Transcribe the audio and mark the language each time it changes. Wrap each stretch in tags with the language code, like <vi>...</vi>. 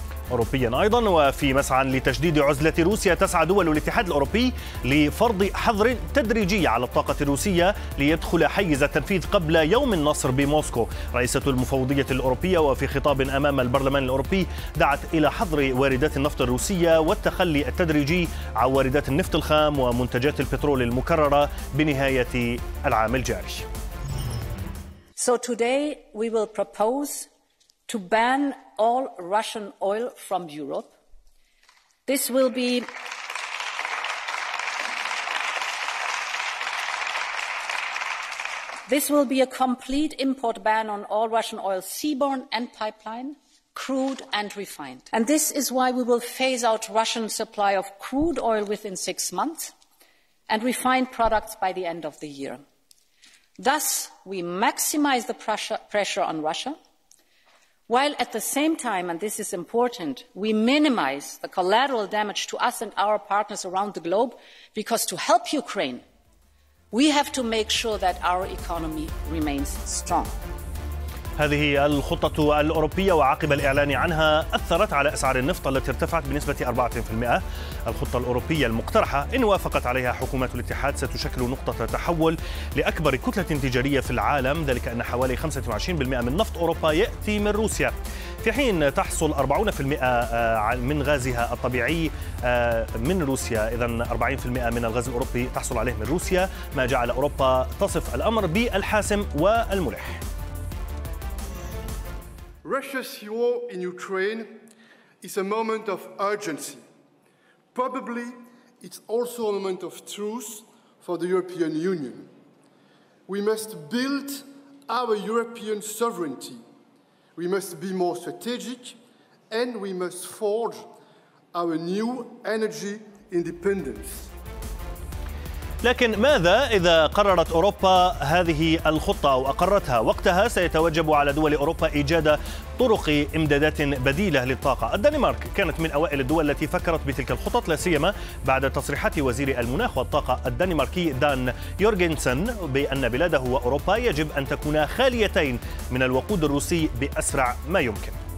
<ar>أوروبيا أيضا. وفي مسعى لتشديد عزلة روسيا، تسعى دول الاتحاد الأوروبي لفرض حظر تدريجي على الطاقة الروسية ليدخل حيز التنفيذ قبل يوم النصر بموسكو. رئيسة المفوضية الأوروبية وفي خطاب أمام البرلمان الأوروبي دعت إلى حظر واردات النفط الروسية والتخلي التدريجي عن واردات النفط الخام ومنتجات البترول المكررة بنهاية العام الجاري.</ar> <en>So today we will propose to ban all Russian oil from Europe. This will be a complete import ban on all Russian oil seaborne and pipeline, crude and refined. And this is why we will phase out Russian supply of crude oil within 6 months and refined products by the end of the year. Thus, we maximize the pressure on Russia, while at the same time, and this is important, we minimize the collateral damage to us and our partners around the globe, because to help Ukraine, we have to make sure that our economy remains strong.</en> <ar>هذه الخطة الأوروبية وعقب الإعلان عنها أثرت على أسعار النفط التي ارتفعت بنسبة 4%. الخطة الأوروبية المقترحة إن وافقت عليها حكومات الاتحاد ستشكل نقطة تحول لأكبر كتلة تجارية في العالم، ذلك أن حوالي 25% من نفط أوروبا يأتي من روسيا، في حين تحصل 40% من غازها الطبيعي من روسيا. إذن 40% من الغاز الأوروبي تحصل عليه من روسيا، ما جعل أوروبا تصف الأمر بالحاسم والملح.</ar> <en>Russia's war in Ukraine is a moment of urgency. Probably it's also a moment of truth for the European Union. We must build our European sovereignty. We must be more strategic, and we must forge our new energy independence.</en> <ar>لكن ماذا إذا قررت أوروبا هذه الخطة أو أقرتها؟ وقتها سيتوجب على دول أوروبا إيجاد طرق إمدادات بديلة للطاقة. الدنمارك كانت من أوائل الدول التي فكرت بتلك الخطط، لا سيما بعد تصريحات وزير المناخ والطاقة الدنماركي دان يورغنسن بأن بلاده وأوروبا يجب أن تكونا خاليتين من الوقود الروسي بأسرع ما يمكن.</ar>